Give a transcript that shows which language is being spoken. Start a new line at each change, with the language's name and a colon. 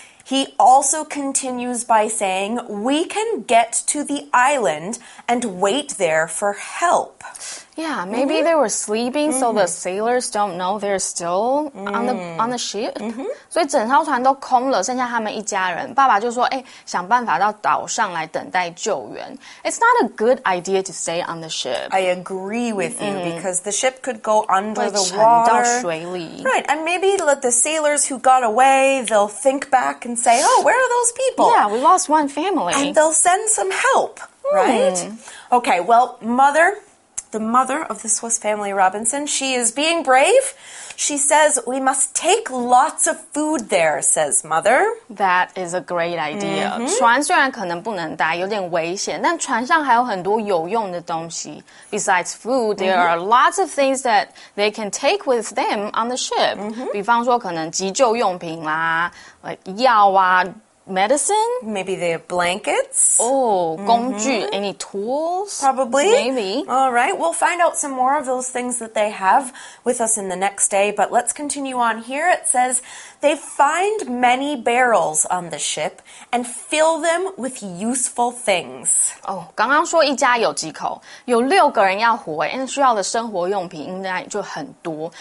English: He also continues by saying, we can get to the island and wait there for help. Yeah, maybe、mm-hmm. they were sleeping、mm-hmm. so the sailors don't know they're still、mm-hmm. on the ship.、 Mm-hmm.
Chinese: 所以整艘船都空了剩下他们一家人。爸爸就说、欸、想办法到岛上来等待救援。
English: It's not a good idea to stay on the ship. I agree with、mm-hmm. you because the ship could go under the water.
Chinese: 沉到水里。
English: Right, and maybe let the sailors who got away, they'll think back and say, oh, where are those people? Yeah, we lost one family. And they'll send some help,、mm-hmm. right? Okay, well, the mother of the Swiss family Robinson, she is being brave. She says, we must take lots of food there, says mother. That is a great idea.、Mm-hmm.
Chinese: 船虽然可能不能待,有点危险,但船上还有很多有用的东西。
English: Besides food, there、mm-hmm. are lots of things that they can take with them on the ship.、 Mm-hmm.
Chinese: 比方说可能急救用品啦, like 药啊, medicine.
English: Maybe they have blankets. Oh,、mm-hmm. 工具, any tools? Probably. Maybe. All right. We'll find out some more of those things that they have with us in the next day. But let's continue on here. It says, they find many barrels on the ship and fill them with useful things.
Chinese: Oh, 刚刚说一家有几口,有六个人要活,因为需要的生活用品应该就很多。